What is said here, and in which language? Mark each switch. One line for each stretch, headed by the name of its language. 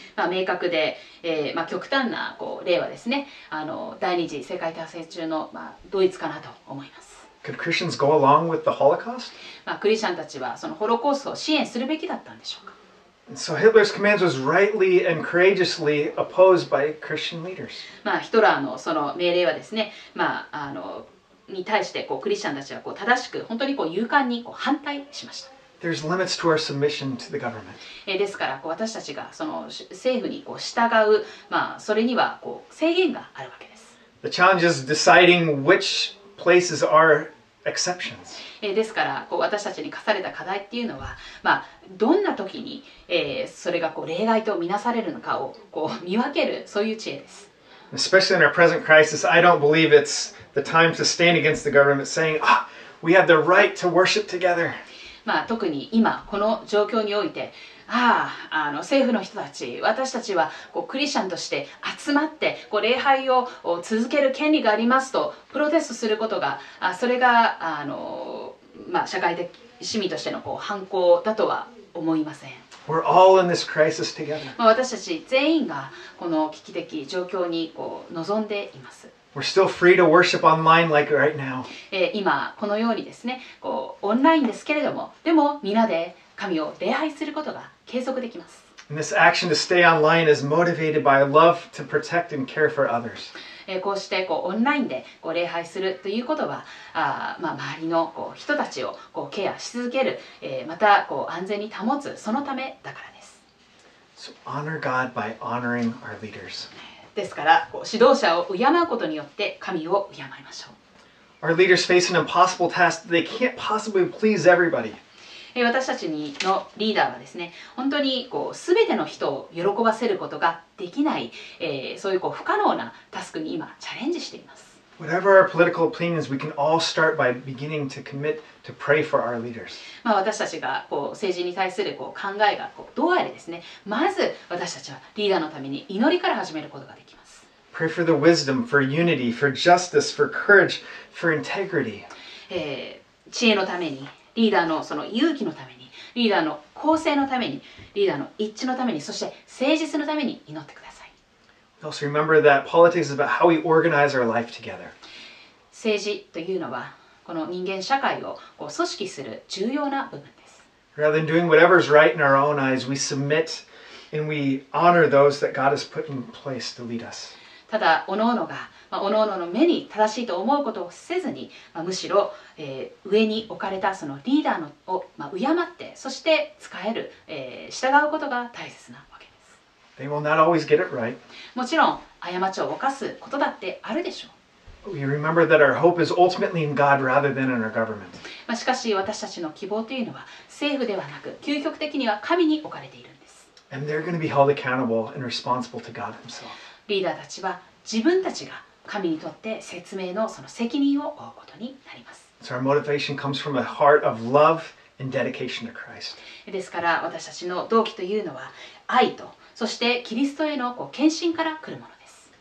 Japanese: まあ明確で、まあ極端なこう例はですね、第二次世界大戦中の、まあ、ドイツかなと思います。
English: Could Christians go along with the Holocaust?
Japanese: まあクリスチャンたちはそのホロコーストを支援するべきだったんでしょうか。
English: So Hitler's commands was rightly and courageously opposed by Christian leaders.
Japanese: まあヒトラーのその命令はですね、まあに対してこうクリスチャンたちはこう正しく本当にこう勇敢にこう反対しました。
English: There's limits to our submission to the government.
Japanese: ですからこう私たちがその政府にこう従う、まあそれにはこう制限があるわけです。
English: The challenge is deciding which places are exceptions.
Japanese: ですからこう私たちに課された課題っていうのは、まあどんな時に、それがこう例外とみなされるのかをこう見分けるそういう知恵です。
English: Especially in our present crisis, I don't believe it's the time to stand against the government saying, "Ah, we have the right to worship together."
Japanese: まあ特に今この状況において、政府の人たち、私たちはこうクリスチャンとして集まってこう礼拝を続ける権利がありますとプロテストすることが、それが社会的市民としてのこう反抗だとは思いません。
English: We're all in this crisis together.
Japanese: 私たち全員がこの危機的状況にこう臨んでいます。
English: We're still free to worship online like right now.
Japanese: 今このようにですね、こうオンラインですけれども、でもみんなで神を礼拝することが継続できます。
English: And this action to stay online is motivated by a love to protect and care for others.
Japanese: こうしてこうオンラインでこう礼拝するということは、周りのこう人たちをこうケアし続ける、またこう安全に保つ、そのためだからです。
English: So honor God by honoring our leaders.
Japanese: ですから、指導者を敬うことによって神を敬いましょう。
English: Our leaders face an impossible task. They can't possibly please everybody.
Japanese: 私たちのリーダーはですね、本当にこう全ての人を喜ばせることができない、そういう、こう不可能なタスクに今チャレンジしています。
English: Whatever our political opinions, we can all start by beginning to commit to pray for our leaders.
Japanese: 私たちがこう政治に対するこう考えがこうどうあれですね、まず私たちはリーダーのために祈りから始めることができます。
English: Pray for the wisdom, for unity, for justice, for courage, for integrity.
Japanese: 知恵のために、リーダーのその勇気のために、リーダーの公正のために、リーダーの一致のために、そして誠実のために祈ってください。
English: Also remember that politics is about how we organize our life together.
Japanese: 政治というのはこの人間社会をこう組織する重要な部分です。
English: Rather than doing whatever is right in our own eyes, we submit and we honor those that God has put in place to lead us.
Japanese: ただ各々が、各々の目に正しいと思うことをせずに、むしろ、上に置かれたそのリーダーのを、敬って、そして使える、従うことが大切な。
English: They will not always get it right.
Japanese: もちろん過ちを犯すことだってあるでしょう。
English: We remember that our hope is ultimately in God rather than in our government.
Japanese: しかし私たちの希望というのは政府ではなく究極的には神に置かれているんです。
English: And they're going to be held accountable and responsible to God himself.
Japanese: リーダーたちは自分たちが神にとって説明のその責任を負うことになります。
English: So our motivation comes from a heart of love and dedication to Christ.
Japanese: ですから私たちの動機というのは愛とそしてキリストへのこう献身から来るものです。